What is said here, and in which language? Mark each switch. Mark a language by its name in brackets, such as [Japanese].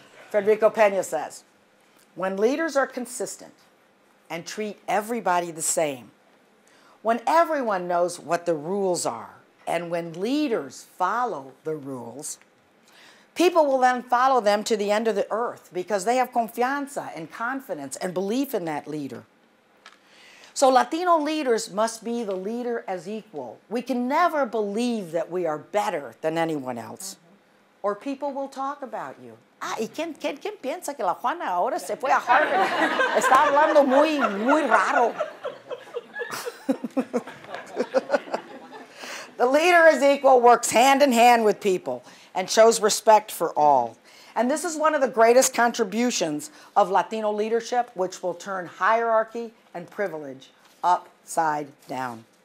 [English] Federico Peña says, when leaders are consistent and treat everybody the same, when everyone knows what the rules are, and when leaders follow the rules, people will then follow them to the end of the earth because they have confianza and confidence and belief in that leader. So Latino leaders must be the leader as equal. We can never believe that we are better than anyone else. Mm-hmm. Or people will talk about you. [Spanish] Ah, ¿y quién piensa que la Juana ahora se fue a Harvard? Está hablando muy, muy raro. [English] The leader as equal works hand in hand with people and shows respect for all. And this is one of the greatest contributions of Latino leadership, which will turn hierarchy and privilege upside down.